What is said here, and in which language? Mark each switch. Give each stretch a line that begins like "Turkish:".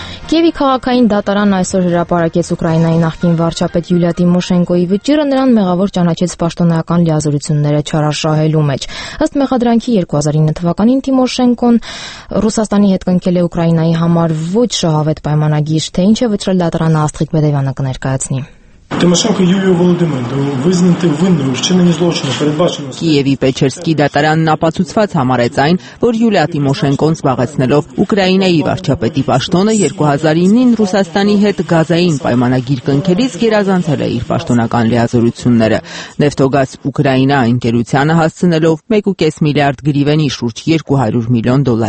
Armenian: Կիևի քաղաքային դատարանը այսօր հրապարակեց Ուկրաինայի նախկին վարչապետ Յուլիա Տիմոշենկոյի վճիրը նրան մեղավոր ճանաչեց պաշտոնական լիազորությունները չարաշահելու մեջ։ Ըստ մեղադրանքի 2009 թվականին Տիմոշենկոն Ռուսաստանի հետ կնքել է Ուկրաինայի համար ոչ շահավետ պայմանագիր, թե ինչ է վճռել դատարանը, Աստղիկ Մեդևյանը կներկայացնի։
Ukrainian: Тимошенко Юлію Володимирівну визнати винною в вчиненні злочину, передбаченого Києві Печерський
Armenian: դատարանն ապացուցված համարեց այն, որ Յուլիա Տիմոշենկոն զբաղեցնելով Ուկրաինայի վարչապետի պաշտոնը 2009-ին Ռուսաստանի հետ գազային պայմանագիր կնքելիս գերազանցել է իր պաշտոնական լիազորությունները։ Նեֆթոգազ Ուկրաինա ընկերությանը հասցնելով 1.5 միլիարդ գրիվենի շուրջ $200 միլիոն